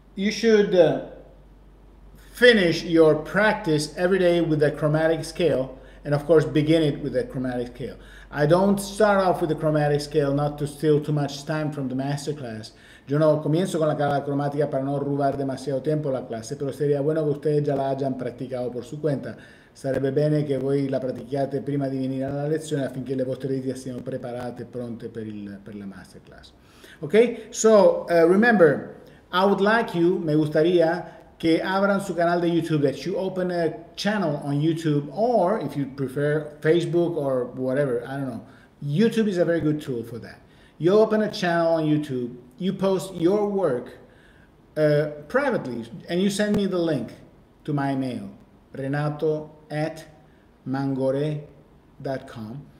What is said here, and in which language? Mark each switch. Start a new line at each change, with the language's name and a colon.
English: Should finish your practice every day with a chromatic scale, and of course begin it with a chromatic scale. I don't start off with a chromatic scale not to steal too much time from the masterclass.
Spanish: Yo no comienzo con la escala cromática para no robar demasiado tiempo la clase, pero sería bueno que ustedes ya la hayan practicado por su cuenta.
Italian: Sarebbe bene che voi la pratichiate prima di venire alla lezione affinché le vostre dita siano preparate e pronte per la masterclass.
English: Okay? So, remember, I would like you,
Spanish: me gustaría, que abran su canal de YouTube,
English: that you open a channel on YouTube, or if you prefer Facebook or whatever, I don't know. YouTube is a very good tool for that. You open a channel on YouTube, you post your work privately, and you send me the link to my mail, renato@mangore.com.